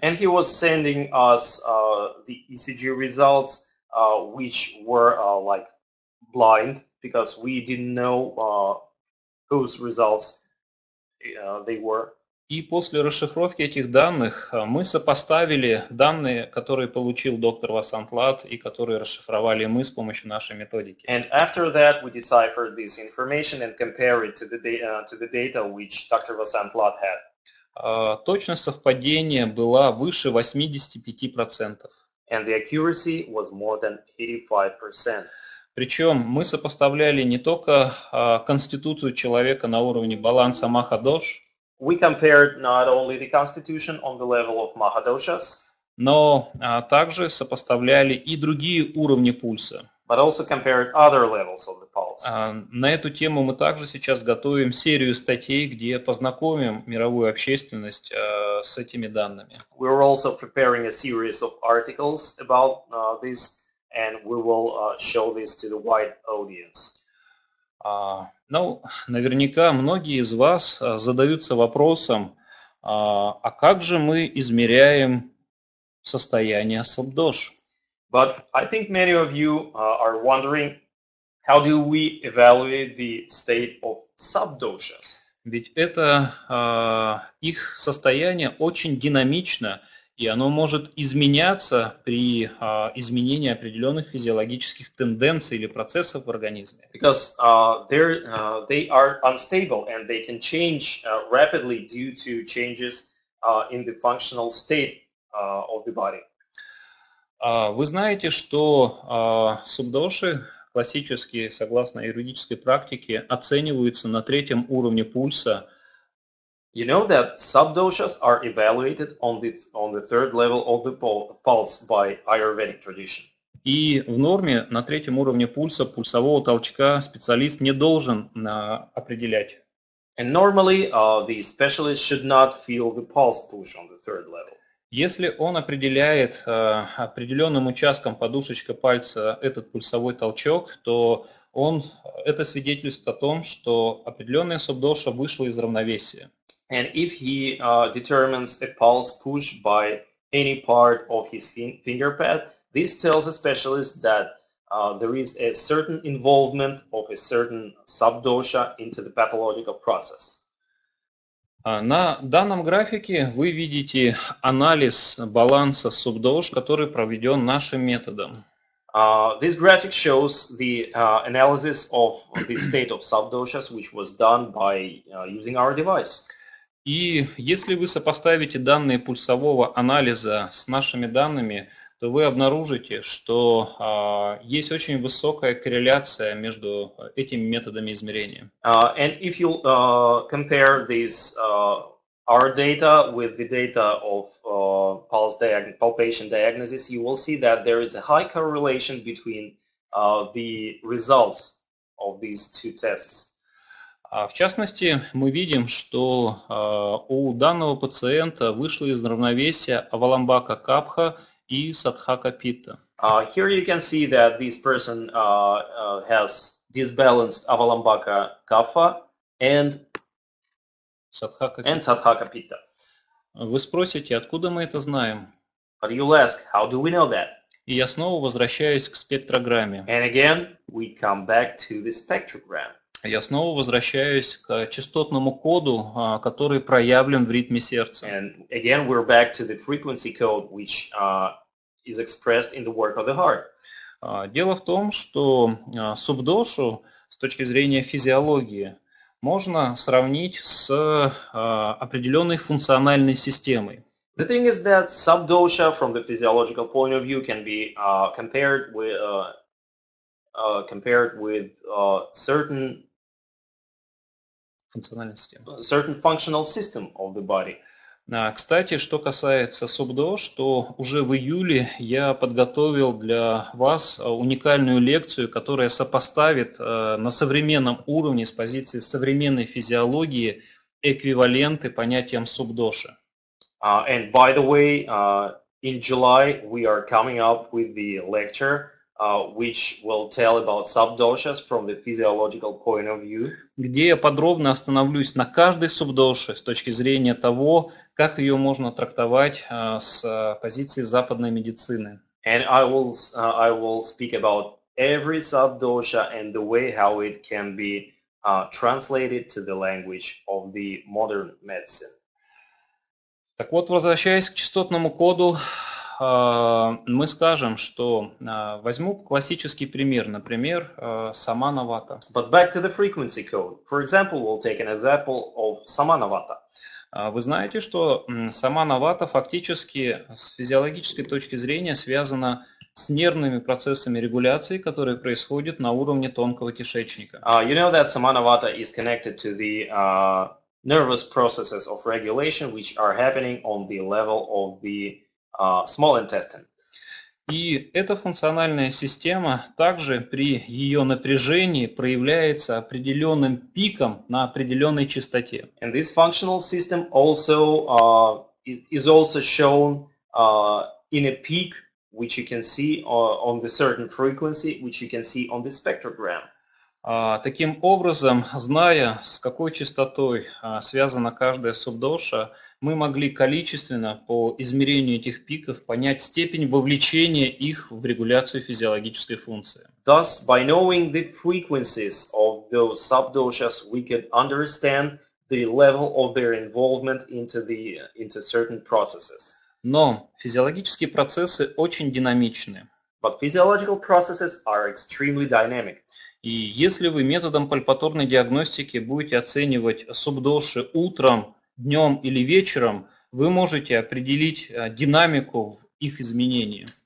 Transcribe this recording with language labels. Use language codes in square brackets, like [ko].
[en] And he was sending us the ECG results, which were like blind, because we didn't know whose results they were. [ru] И после расшифровки этих данных мы сопоставили данные, которые получил доктор Васант Лат и которые расшифровали мы с помощью нашей методики. [en] And after that we deciphered this information and compared it to the data which Dr. Vasant Lat had. [ru] Точность совпадения была выше 85%. [en] And the accuracy was more than 85%. [ru] Причем мы сопоставляли не только конституцию человека на уровне баланса Махадош. [en] We compared not only the constitution on the level of Mahadoshas, [ru] но также сопоставляли и другие уровни пульса. [en] But also compared other levels of the pulse. [ru] На эту тему мы также сейчас готовим серию статей, где познакомим мировую общественность с этими данными. [en] We are also preparing a series of articles about this, and we will show this to the wide audience. [ru] Ну, наверняка многие из вас задаются вопросом, а как же мы измеряем состояние Сабдош? [en] But I think many of you are wondering, how do we evaluate the state of subdoshas? [ru] Ведь это их состояние очень динамично, и оно может изменяться при изменении определенных физиологических тенденций или процессов в организме. [en] Because they are unstable and they can change rapidly due to changes in the functional state of the body. [ru] Вы знаете, что субдоши, классически, согласно юридической практике, оцениваются на третьем уровне пульса. [en] You know that subdoshas are evaluated on the third level of the pulse by Ayurvedic tradition. [ru] И в норме на третьем уровне пульса пульсового толчка специалист не должен определять. [en] And normally the specialist should not feel the pulse push on the third level. [ru] Если он определяет определенным участком подушечка пальца этот пульсовой толчок, то он это свидетельствует о том, что определенная субдоша вышла из равновесия. [en] And if he determines a pulse push by any part of his finger pad, this tells a specialist that there is a certain involvement of a certain subdosha into the pathological process. [ru] На данном графике вы видите анализ баланса субдош, который проведен нашим методом. [en] This graphic shows the analysis of the state of subdoshas, which was done by using our device. [ru] И если вы сопоставите данные пульсового анализа с нашими данными, то вы обнаружите, что есть очень высокая корреляция между этими методами измерения. [en] And if you compare this our data with the data of palpation diagnosis, you will see that there is a high correlation between the results of these two tests. [ru] В частности, мы видим, что у данного пациента вышло из равновесия Аваламбака Капха и Сатхака Питта. [en] Here you can see that this person has disbalanced Аваламбака Капха and Сатхака Питта. [ru] Вы спросите, откуда мы это знаем? [en] But you'll ask, how do we know that? [ru] И я снова возвращаюсь к спектрограмме. [en] And again, we come back to the spectrogram. [ru] Я снова возвращаюсь к частотному коду, который проявлен в ритме сердца. [en] And again, we're back to the frequency code, which is expressed in the work of the heart. [ru] Дело в том, что субдошу с точки зрения физиологии можно сравнить с определенной функциональной системой. [en] The thing is that subdosha, from the physiological point of view, can be compared with certain functional system of the body. [ru] Кстати, что касается субдош, то уже в июле я подготовил для вас уникальную лекцию, которая сопоставит на современном уровне с позиции современной физиологии эквиваленты понятиям субдоши. [en] And by the way, in July we are coming up with the lecture which will tell about subdoshas from the physiological point of view. [ru] Где я подробно остановлюсь на каждой субдоше с точки зрения того, как ее можно трактовать с позиции западной медицины. [en] And I will speak about every subdosha and the way how it can be translated to the language of the modern medicine. [ru] Так вот, возвращаясь к частотному коду, мы скажем, что возьму классический пример, например, Самана Вата. [en] But back to the frequency code. For example, we'll take an example of Samana Vata. [ru] Вы знаете, что Самана Вата фактически с физиологической точки зрения связана с нервными процессами регуляции, которые происходят на уровне тонкого кишечника. [en] You know that Samana Vata is connected to the nervous processes of regulation, which are happening on the level of the small intestine. [ru] И эта функциональная система также при ее напряжении проявляется определенным пиком на определенной частоте. [en] And this functional system also is also shown in a peak, which you can see on the certain frequency, which you can see on the spectrogram. [ru] Таким образом, зная, с какой частотой связана каждая субдоша, мы могли количественно по измерению этих пиков понять степень вовлечения их в регуляцию физиологической функции. [en] Thus, by knowing the frequencies of the subdoshas, we can understand the level of their involvement into certain processes. [ru] Но физиологические процессы очень динамичны. [en] But physiological processes are extremely dynamic. [ru] И если вы методом пальпаторной диагностики будете оценивать субдоши утром, днем или вечером, вы можете определить динамику в их изменении.